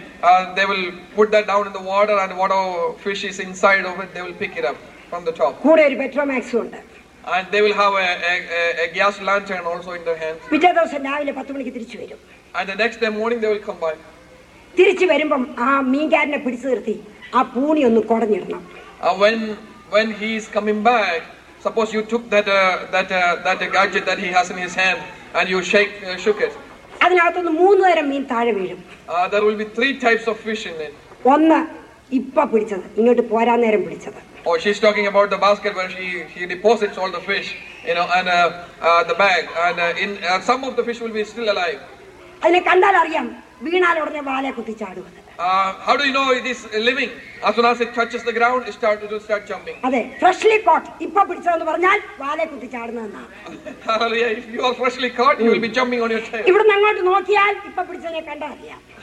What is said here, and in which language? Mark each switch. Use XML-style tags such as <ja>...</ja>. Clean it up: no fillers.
<en>And they will put that down in the water and whatever fish is inside of it they will pick it up from the top.</en> <ml>കൂടെ ഒരു Petromax ഉണ്ട്.</ml> <en>And they will have a gas lantern also in their hands.</en> <ml>പിറ്റേ ദിവസം രാവിലെ 10 മണിക്ക് തിരിച്ചു വരും.</ml> <en>And the next day morning they will come by.</en> <ml>തിരിച്ചു വരുമ്പോൾ ആ മീൻകാരനെ പിടിച്ചു നിർത്തി ആ പൂണി ഒന്ന് കൊടഞ്ഞിടണം.</ml> <en>When he is coming back, suppose you took that gadget that he has in his hand and you shook it.</en> <ml>അതിനകത്ത് മൂന്ന് തരം മീൻ താഴെ വീഴും.</ml> <en>There will be three types of fish in it.</en> <ml>ഒന്ന് ഇപ്പോ പിടിച്ചത് ഇങ്ങോട്ട് പോരാൻ നേരം പിടിച്ചത്.</ml> <en>Oh, she is talking about the basket where she deposits all the fish, you know, and the bag, and in some of the fish will be still alive.</en> <ml>അതിനെ കണ്ടാൽ അറിയാം വീണാൽ ഉടനെ വാലേ കുത്തി ചാടുമെന്ന്.</ml> <en>How do you know it is living? As soon as it touches the ground, it starts jumping.</en> <ml>അതെ,</ml> <en>freshly caught.</en> <ml>ഇപ്പോ പിടിച്ചത് എന്ന് പറഞ്ഞാൽ വാലേ കുത്തി ചാടുന്നതാണ്.</ml> <en>Hallelujah. If you are freshly caught, you will be jumping on your tail.</en> <ml>ഇവിടെ അങ്ങോട്ട് നോക്കിയാൽ ഇപ്പോ പിടിച്ചതിനെ കണ്ടാൽ അറിയാം.</ml>